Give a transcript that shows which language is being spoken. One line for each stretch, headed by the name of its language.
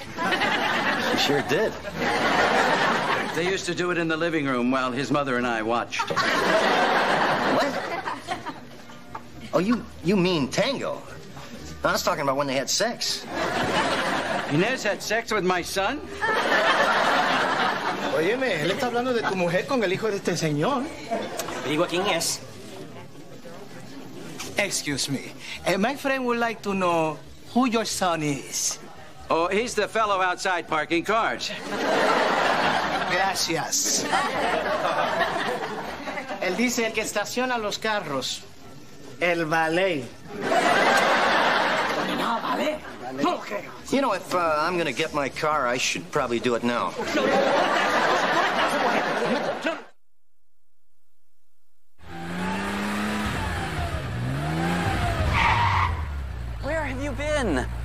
English: She sure did. They used to do it in the living room while his mother and I watched. What? Oh, you mean tango. I was talking about when they had sex. Inez had sex with my son?
Spanish: Óyeme, él está hablando de tu mujer con el hijo de este señor. Te digo quién es.
English: Excuse me. My friend would like to know who your son is. Oh, he's the fellow outside parking cars.
Spanish: Gracias. Él dice el que estaciona los carros. El valet.
English: Okay. You know, if I'm going to get my car, I should probably do it now. Where have you been?